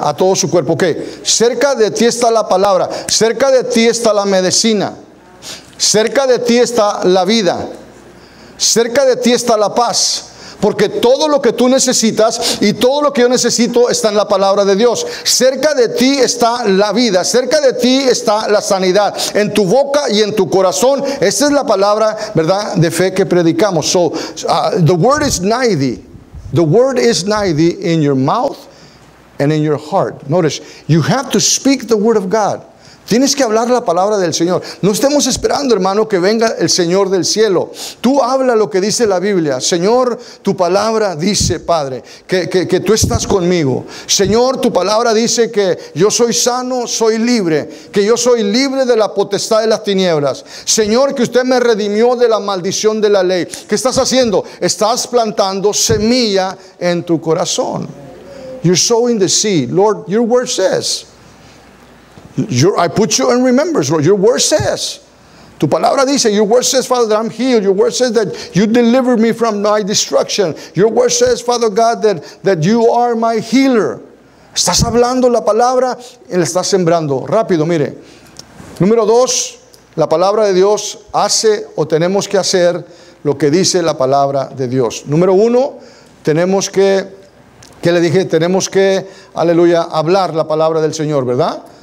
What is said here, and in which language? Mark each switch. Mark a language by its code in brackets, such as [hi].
[es] A todo su cuerpo. ¿Qué? Cerca de ti está la palabra, cerca de ti está la medicina, cerca de ti está la vida, cerca de ti está la paz. Porque todo lo que tú necesitas y todo lo que yo necesito está en la palabra de Dios. Cerca de ti está la vida, cerca de ti está la sanidad, en tu boca y en tu corazón. Esa es la palabra, ¿verdad?, de fe que predicamos. [en] So, the word is nigh thee. The word is nigh thee in your mouth and in your heart. Notice, you have to speak the word of God. [es] Tienes que hablar la palabra del Señor. No estemos esperando, hermano, que venga el Señor del cielo. Tú habla lo que dice la Biblia. Señor, tu palabra dice, Padre, que tú estás conmigo. Señor, tu palabra dice que yo soy sano, soy libre, que yo soy libre de la potestad de las tinieblas. Señor, que usted me redimió de la maldición de la ley. ¿Qué estás haciendo? Estás plantando semilla en tu corazón. [en] You're sowing the seed. Lord, your word says... I put you in remembrance, Lord. Your word says, [es] tu palabra dice, [en] your word says, Father, that I'm healed. Your word says that you delivered me from my destruction. Your word says, Father God, that you are my healer. [es] Estás hablando la palabra y la estás sembrando. Rápido, mire. Número dos, la palabra de Dios hace o tenemos que hacer lo que dice la palabra de Dios. Número uno, tenemos que, ¿qué le dije? Tenemos que, aleluya, hablar la palabra del Señor, ¿verdad?